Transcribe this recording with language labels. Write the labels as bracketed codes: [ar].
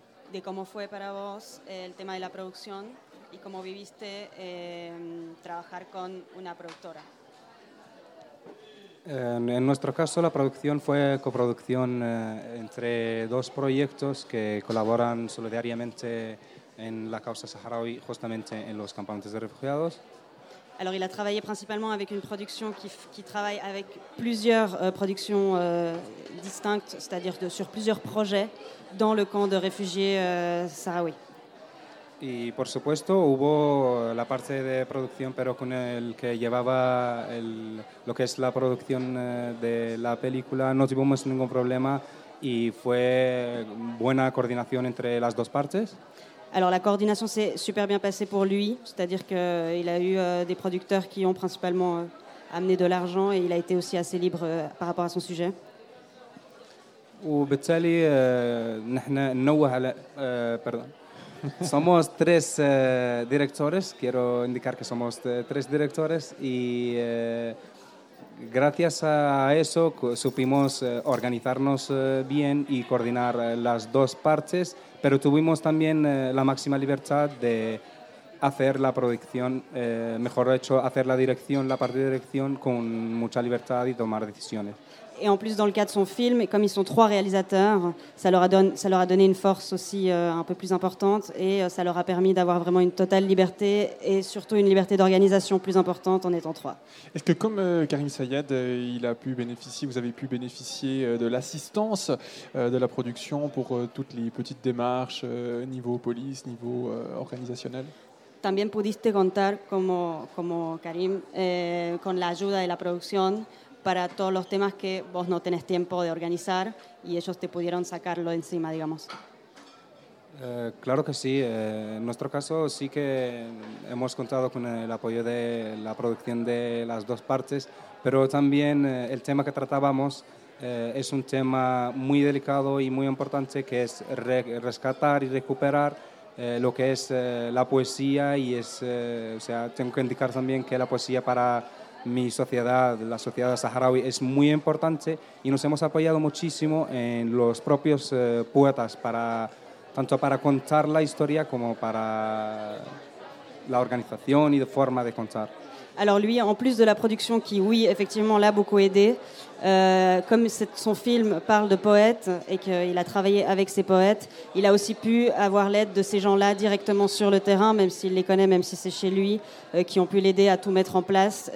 [es] De cómo fue para vos el tema de la producción y cómo viviste trabajar con una productora. En nuestro caso, la producción fue coproducción entre dos proyectos que colaboran solidariamente en la causa saharaui, justamente en los campamentos de refugiados. [fr] Alors, il a travaillé principalement avec une production qui travaille avec plusieurs productions distinctes, c'est-à-dire sur plusieurs projets dans le camp de réfugiés sahraouis. [es] Y por supuesto hubo la parte de producción, pero con el que llevaba el, lo que es la producción de la película no tuvimos ningún problema y fue buena coordinación entre las dos partes. [fr] Alors la coordination s'est super bien passée pour lui, c'est-à-dire qu'il a eu des producteurs qui ont principalement amené de l'argent et il a été aussi assez libre par rapport à son sujet. [ar] وبالتالي نحن ننوه على pardon. [es] Somos tres directores, quiero indicar que somos tres directores y gracias a eso supimos organizarnos bien y coordinar las dos partes, pero tuvimos también la máxima libertad de hacer la proyección, mejor dicho, hacer la dirección, la parte de dirección con mucha libertad y tomar decisiones. [fr] Et en plus, dans le cas de son film, comme ils sont trois réalisateurs, ça leur a donné une force aussi un peu plus importante et ça leur a permis d'avoir vraiment une totale liberté et surtout une liberté d'organisation plus importante en étant trois. Est-ce que comme Karim Sayed, il a pu bénéficier, vous avez pu bénéficier de l'assistance de la production pour toutes les petites démarches niveau police, niveau organisationnel ? [es] También pudiste contar como Karim con la ayuda de la producción para todos los temas que vos no tenés tiempo de organizar y ellos te pudieron sacarlo encima, digamos. Claro que sí. En nuestro caso sí que hemos contado con el apoyo de la producción de las dos partes, pero también el tema que tratábamos es un tema muy delicado y muy importante, que es rescatar y recuperar lo que es la poesía y es, o sea, tengo que indicar también que la poesía para mi sociedad, la sociedad saharaui, es muy importante y nos hemos apoyado muchísimo en los propios poetas para tanto para contar la historia como para la organización y de forma de contar. [fr] Alors lui, en plus de la production qui, oui, effectivement, l'a beaucoup aidé, comme son film parle de poètes et qu'il a travaillé avec ses poètes, il a aussi pu avoir l'aide de ces gens-là directement sur le terrain, même s'il les connaît, même si c'est chez lui, qui ont pu l'aider à tout mettre en place.